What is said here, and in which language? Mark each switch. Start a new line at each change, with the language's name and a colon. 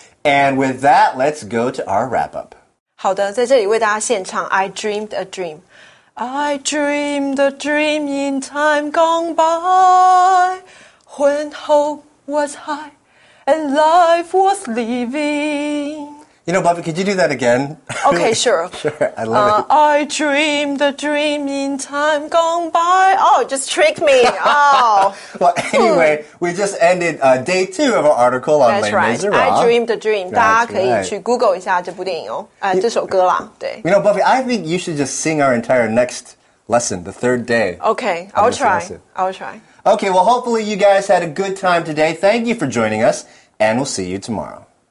English: And with that, let's go to our wrap-up.
Chinese: 好的，在这里为大家献唱 I Dreamed a Dream.
English: I dreamed a dream in time gone by, when hope was high and life was living. You know, Bobby, could you do that again? Okay, sure. Sure, I love it. I dreamed a dream in time gone by. Oh, just tricked me. Oh. Well, anyway, we just ended day two of our article on Les Miserables. That's right. I dreamed a dream.
Chinese: 大家可以去 Google 一下这部电影哦。这首歌啦，对。
English: You know, Bobby, I think you should just sing our entire next lesson, the third day. Okay, I'll try. I'll try. Okay, well, hopefully you guys had a good time today. Thank you for joining us, and we'll see you tomorrow.